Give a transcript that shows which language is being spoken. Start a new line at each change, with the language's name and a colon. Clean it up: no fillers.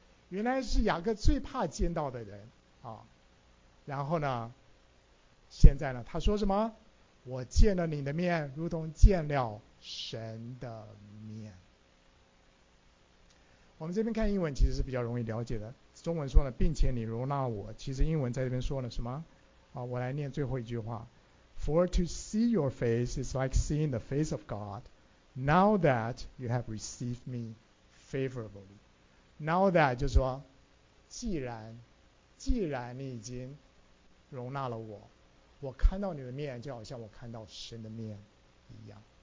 Chinese: 原来是雅各最怕见到的人啊，然后呢现在呢他说什么，我见了你的面如同见了神的面。我们这边看英文其实是比较容易了解的，中文说呢，并且你容纳我，其实英文在这边说了什么？我来念最后一句话。
English: For to see your face is like seeing the face of God. Now that you have received me favorably. Now that
Chinese: 就是说既然你已经容纳了我，我看到你的面就好像我看到神的面一样。